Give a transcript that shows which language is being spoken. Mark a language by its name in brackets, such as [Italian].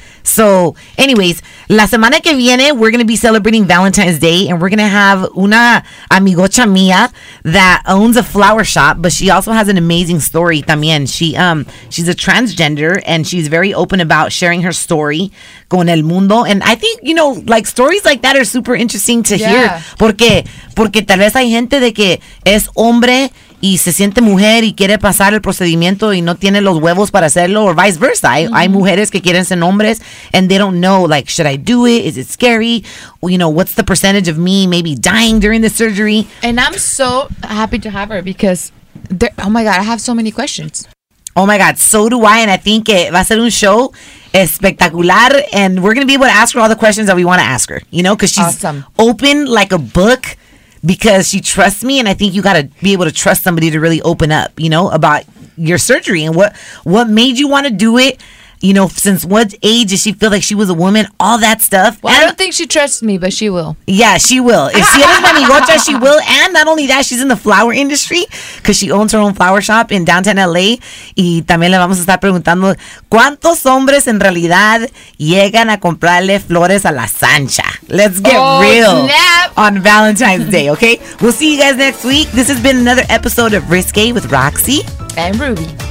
[English] So anyways, [Spanish] la semana que viene [English] we're going to be celebrating Valentine's Day, and we're going to have [Spanish] una amigocha mía [English] that owns a flower shop, but she also has an amazing story [Spanish] también. [English] She's a transgender, and she's very open about sharing her story [Spanish] con el mundo. [English] And I think, you know, like, stories like that are super interesting to hear. [Spanish] Porque tal vez hay gente de que es hombre y se siente mujer y quiere pasar el procedimiento y no tiene los huevos para hacerlo, [English] or vice versa. Mm-hmm. [Spanish] Hay mujeres que quieren ser hombres, [English] and they don't know, like, should I do it? Is it scary? You know, what's the percentage of me maybe dying during the surgery? And I'm so happy to have her, because, oh my God, I have so many questions. Oh my God, so do I. And I think it [Spanish] va a ser un show espectacular, [English] and we're going to be able to ask her all the questions that we want to ask her, you know, because she's awesome. Open like a book. Because she trusts me, and I think you got to be able to trust somebody to really open up, you know, about your surgery and what made you want to do it, you know, since what age did she feel like she was a woman, all that stuff. Well, and I don't think she trusts me, but she will. Yeah, she will. If she has my amigocha, she will. And not only that, she's in the flower industry, because she owns her own flower shop in downtown LA. [Spanish] Y también le vamos a estar preguntando, ¿cuántos hombres en realidad llegan a comprarle flores a la Sancha? [English] Let's get real. Snap. On Valentine's Day, okay? We'll see you guys next week. This has been another episode of Risqué with Roxy and Ruby.